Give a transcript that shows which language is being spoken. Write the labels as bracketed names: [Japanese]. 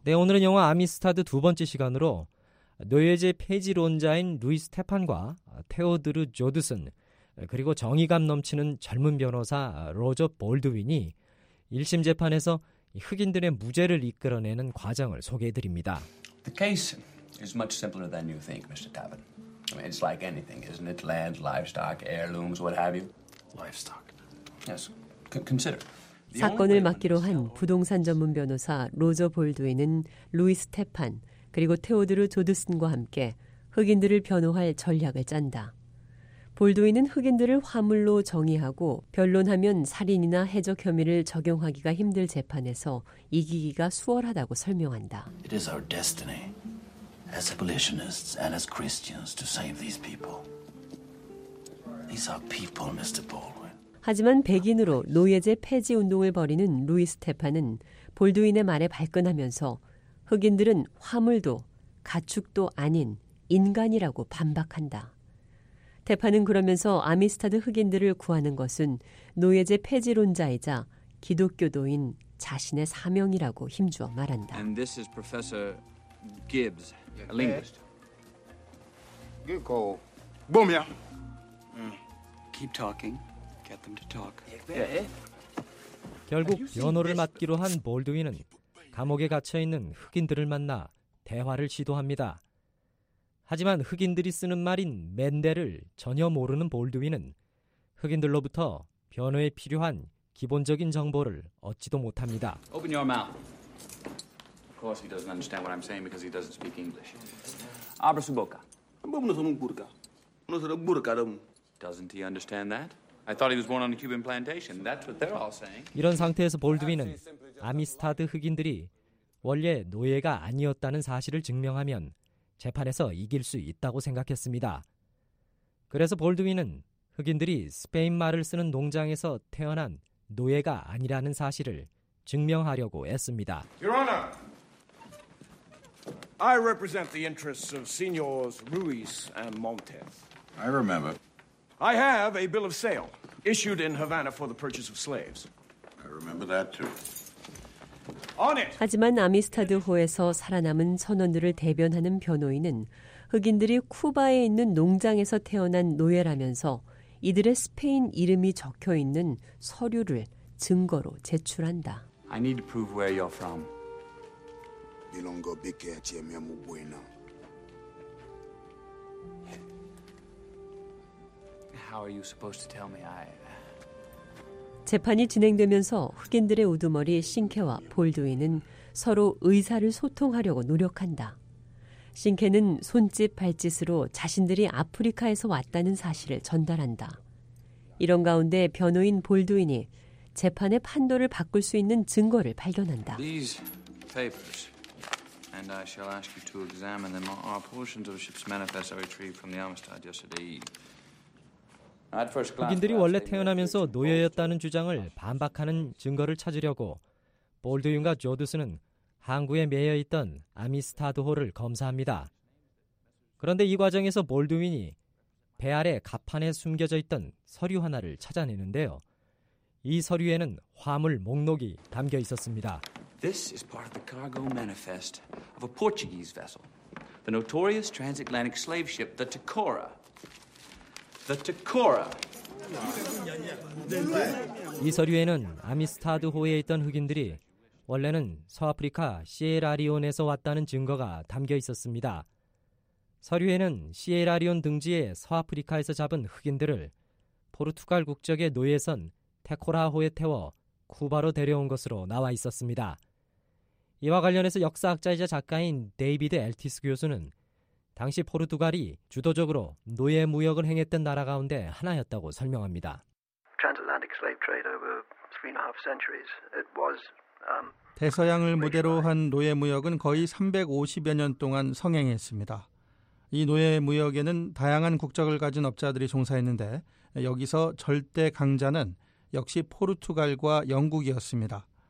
[Korean] 네, 오늘은 영화 아미스타드 두 번째 시간으로 노예제 폐지론자인 루이 스테판과 테오드르 조드슨, 그리고 정의감 넘치는 젊은 변호사 로저 볼드윈이 1심 재판에서 흑인들의 무죄를 이끌어내는 과정을 소개해드립니다. [English] The case is much simpler than you think, Mr. Tappan. I mean, it's like anything, isn't it? Land, livestock, heirlooms, what have you? Livestock. Yes, consider. [Korean] 사건을 맡기로 한 부동산 전문 변호사 로저 볼드윈은 루이 스테판, 그리고 테오드르 조드슨과 함께 흑인들을 변호할 전략을 짠다. 볼드윈은 흑인들을 화물로 정의하고 변론하면 살인이나 해적 혐의를 적용하기가 힘들 재판에서 이기기가 수월하다고 설명한다. [English] It is our destiny as abolitionists and as Christians to save these people. These are people, Mr. Baldwin. [Korean] 하지만 백인으로 노예제 폐지 운동을 벌이는 루이 스테판은 볼드윈의 말에 발끈하면서 흑인들은 화물도 가축도 아닌 인간이라고 반박한다. 테파는 그러면서 아미스타드 흑인들을 구하는 것은 노예제 폐지론자이자 기독교도인 자신의 사명이라고 힘주어 말한다. [English] And this is Professor Gibbs, a linguist. Give call. [Korean] 뭐냐? [English] Keep talking. Get them to talk. [Korean] 결국 변호를 맡기로 한 볼드윈은 감옥에 갇혀 있는 흑인들을 만나 대화를 시도합니다. 하지만 흑인들이 쓰는 말인 맨데를 전혀 모르는 볼드윈은 흑인들로부터 변호에 필요한 기본적인 정보를 얻지도 못합니다. [English] Open your mouth. Of course he doesn't understand what I'm saying because he doesn't speak English. [Spanish] Abra su boca. Bumno sonu burka. No sera burka dam. [English] Doesn't he understand that? I thought he was born on a Cuban plantation. That's what they're all saying. [Korean] 이런 상태에서 볼드윈은 아미스타드 흑인들이 원래 노예가 아니었다는 사실을 증명하면 재판에서 이길 수 있다고 생각했습니다. 그래서 볼드윈은 흑인들이 스페인 말을 쓰는 농장에서 태어난 노예가 아니라는 사실을 증명하려고 했습니다. [English] Your Honor, I represent the interests of Señors Ruiz and Montes. I remember. I have a bill of sale issued in Havana for the purchase of slaves. I remember that too. [Korean] 하지만 아미스타드 호에서 살아남은 선원들을 대변하는 변호인은 흑인들이 쿠바에 있는 농장에서 태어난 노예라면서 이들의 스페인 이름이 적혀 있는 서류를 증거로 제출한다. [English] I need to prove where you're from. [Korean] 이런 거 믿겠지, 면모 보이나? [English] How are you supposed to tell me I? [Korean] 재판이 진행되면서 흑인들의 우두머리 싱케와 볼드윈은 서로 의사를 소통하려고 노력한다. 싱케는 손짓 발짓으로 자신들이 아프리카에서 왔다는 사실을 전달한다. 이런 가운데 변호인 볼드윈이 재판의 판도를 바꿀 수 있는 증거를 발견한다. [English] These papers, and I shall ask you to examine them, are portions of ship's manifest I retrieved from the Armistead yesterday. [Korean] 흑인들이 원래 태어나면서 노예였다는 주장을 반박하는 증거를 찾으려고 볼드윈과 조드슨은 항구에 매여있던 아미스타드 호를 검사합니다. 그런데 이 과정에서 볼드윈이 배 아래 갑판에 숨겨져 있던 서류 하나를 찾아내는데요. 이 서류에는 화물 목록이 담겨 있었습니다. [English] This is part of the cargo manifest of a Portuguese vessel, the notorious transatlantic slave ship, the Tacora. The Tacora. [Korean] 이 서류에는 아미스타드호에 있던 흑인들이 원래는 서아프리카 시에라리온에서 왔다는 증거가 담겨 있었습니다. 서류에는 시에라리온 등지에 서아프리카에서 잡은 흑인들을 포르투갈 국적의 노예선 테코라호에 태워 쿠바로 데려온 것으로 나와 있었습니다. 이와 관련해서 역사학자이자 작가인 데이비드 엘티스 교수는 당시 포르투갈이 주도적으로 노예 무역을 행했던 나라 가운데 하나였다고 설명합니다. [English] Transatlantic slave trade over three and a half centuries. It was [Korean] 대서양을 무대로 한 노예 무역은 거의 350여 년 동안 성행했습니다. 이 노예 무역에는 다양한 국적을 가진 업자들이 종사했는데 여기서 절대 강자는 역시 포르투갈과 영국이었습니다.